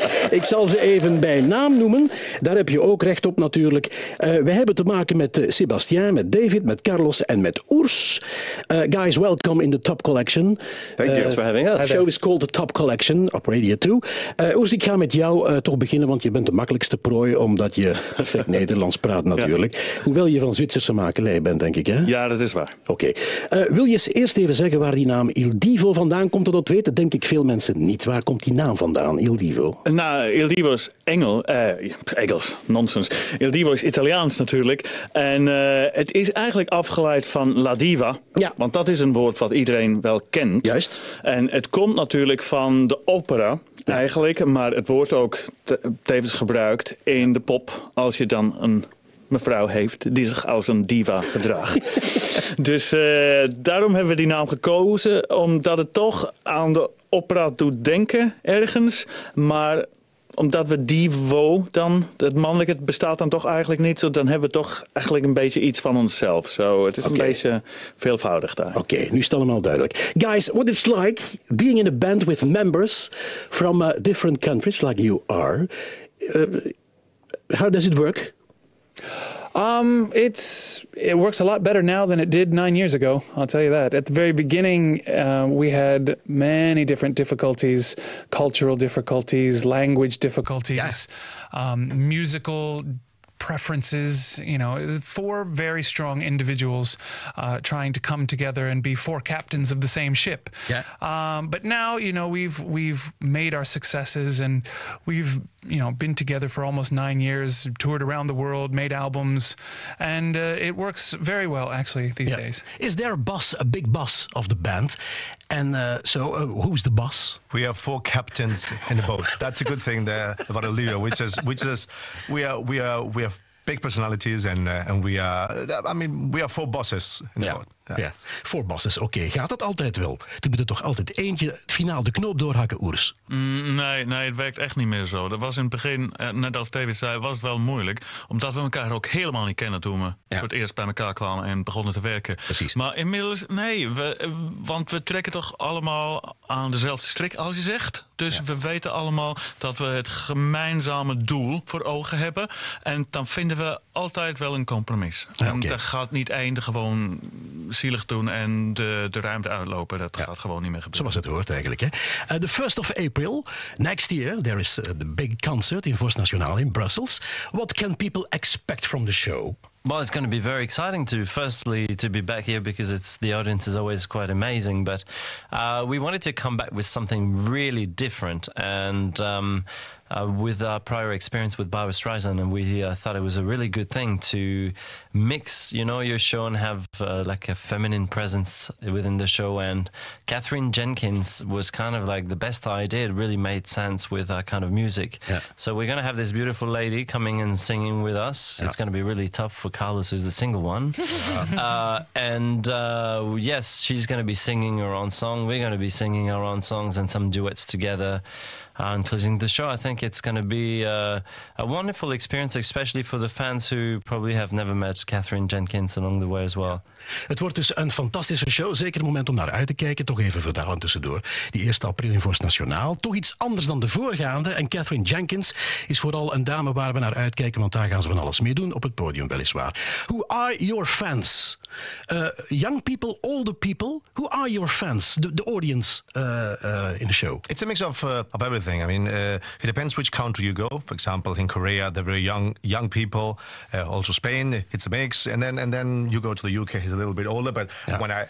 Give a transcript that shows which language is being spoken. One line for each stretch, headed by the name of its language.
Dutch: Ik zal ze even bij naam noemen. Daar heb je ook recht op natuurlijk. We hebben te maken met Sebastian, met David, met Carlos en met Urs.
English: Guys, welcome in the Top Collection. Thank you for having us. The show is called the Top Collection
Dutch: op Radio 2. Urs, ik ga met jou toch beginnen, want je bent de makkelijkste prooi, omdat je perfect Nederlands praat natuurlijk. Ja. Hoewel je van Zwitserse makelij bent, denk ik. Hè? Ja, dat is waar. Oké. Okay. Wil je eerst even zeggen waar die naam Il Divo vandaan komt? Dat weten denk ik veel mensen niet. Waar komt die naam vandaan, Il Divo? Il Divo is Engels, nonsens. Il Divo is Italiaans natuurlijk. En het is eigenlijk afgeleid van La Diva. Ja. Want dat is een woord wat iedereen wel kent. Juist. En het komt natuurlijk van de opera eigenlijk. Maar het wordt ook tevens gebruikt in de pop als je dan een mevrouw heeft die zich als een diva gedraagt. Dus daarom hebben we die naam gekozen, omdat het toch aan de opera doet denken ergens. Maar omdat we divo dan, het mannelijke bestaat dan toch eigenlijk niet, dan hebben we toch eigenlijk een beetje iets van onszelf. So, het is een beetje veelvoudig daar. Oké, nu is het allemaal duidelijk.
English: Guys, what it's like being in a band with members from different countries like you are. How does it work? It works a lot better now than it did 9 years ago, I'll tell you that. At the very beginning, we had many different difficulties, cultural difficulties, language difficulties, musical preferences, you know, four very strong individuals trying to come together and be four captains of the same ship. Yeah. But now, you know, we've made our successes and we've, you know, been together for almost 9 years, toured around the world, made albums, and it works very well, actually, these days. Is there a boss, a big boss of the band? And who's the boss? We have four captains in the boat. That's a good thing there about a leader, which is we have big personalities and we are four bosses in the boat.
Dutch: Ja, voor bosses. Oké, gaat dat altijd wel? Toen moet er toch altijd eentje het finaal de knoop doorhakken, Urs? Nee, het werkt echt niet meer zo. Dat was in het begin, net als David zei, was het wel moeilijk. Omdat we elkaar ook helemaal niet kennen toen we voor het eerst bij elkaar kwamen en begonnen te werken. Precies. Maar inmiddels, want we trekken toch allemaal aan dezelfde strik, als je zegt. Dus we weten allemaal dat we het gemeenzame doel voor ogen hebben. En dan vinden we altijd wel een compromis. Dat gaat niet eindig gewoon zielig doen en de ruimte uitlopen. Dat gaat gewoon niet meer gebeuren. Zoals het hoort eigenlijk.
English: The 1st of April, next year, there is the big concert in Vorst Nationaal in Brussels. What can people expect from the show? Well, it's going to be very exciting to be back here because the audience is always quite amazing. But we wanted to come back with something really different. And with our prior experience with Barbra Streisand, and we thought it was a really good thing to mix, you know, your show and have like a feminine presence within the show. And Catherine Jenkins was kind of like the best idea. It really made sense with our kind of music. Yeah. So we're going to have this beautiful lady coming and singing with us. Yeah. It's going to be really tough for Carlos, who's the single one. Yes, she's going to be singing her own song. We're going to be singing our own songs and some duets together. And closing the show, I think it's going to be a wonderful experience, especially for the fans who probably have never met Catherine Jenkins along the way as well.
Dutch: Het wordt dus een fantastische show. Zeker een moment om naar uit te kijken. Toch even vertalen tussendoor. Die 1 april in Vorst Nationaal. Toch iets anders dan de voorgaande. En Catherine Jenkins is vooral een dame waar we naar uitkijken, want daar gaan ze van alles mee doen. Op het podium weliswaar.
English: Who are your fans? Young people, older people. Who are your fans? The audience in the show. It's a mix of everything. thing. I mean, it depends which country you go. For example, in Korea, they're very young people. Also, Spain, it's a mix. And then you go to the UK, it's a little bit older. But yeah.